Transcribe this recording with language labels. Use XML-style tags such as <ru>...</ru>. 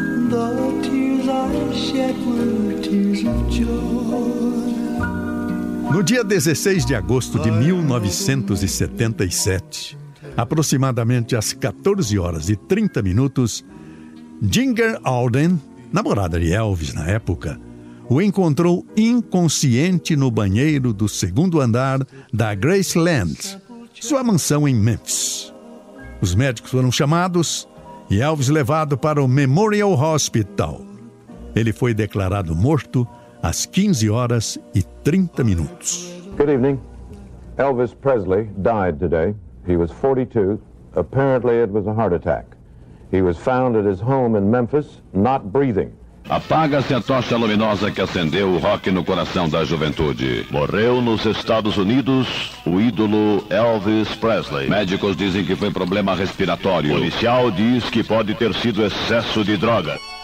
<en>The tears I shed were tears of joy.</en> <pt>No dia 16 de agosto de 1977, aproximadamente às 14 horas e 30 minutos, Ginger Alden, namorada de Elvis na época, o encontrou inconsciente no banheiro do segundo andar da Graceland, sua mansão em Memphis. Os médicos foram chamados e Elvis levado para o Memorial Hospital. Ele foi declarado morto às 15 horas e 30 minutos.</pt> <en>Good evening. Elvis Presley died today. He was 42. Apparently it was a heart attack. He was found at his home in Memphis, not breathing.</en> <pt>Apaga-se a tocha luminosa que acendeu o rock no coração da juventude. Morreu nos Estados Unidos o ídolo Elvis Presley. Médicos dizem que foi problema respiratório. O policial diz que pode ter sido excesso de droga.</pt>